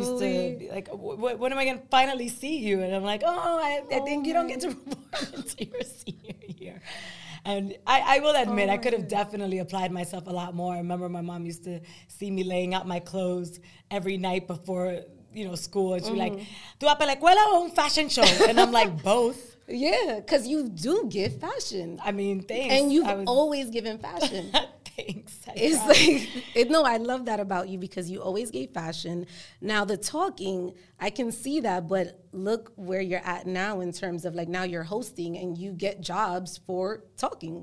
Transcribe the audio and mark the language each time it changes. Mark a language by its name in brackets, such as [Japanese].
[English] Used to be like, when am I going to finally see you? And I'm like, I think you don't get to perform until your senior year. And I will admit, I could have definitely applied myself a lot more. I remember my mom used to see me laying out my clothes every night before, school. And she'd be like, [Spanish] ¿tú vas para la escuela o un [English] fashion show? And I'm like, both. Yeah, because you do give fashion. I mean, thanks. And you've always given fashion. Thanks. I love that about you because you always gave fashion. Now, the talking, I can see that, but look where you're at now in terms of, like, now you're hosting and you get jobs for talking.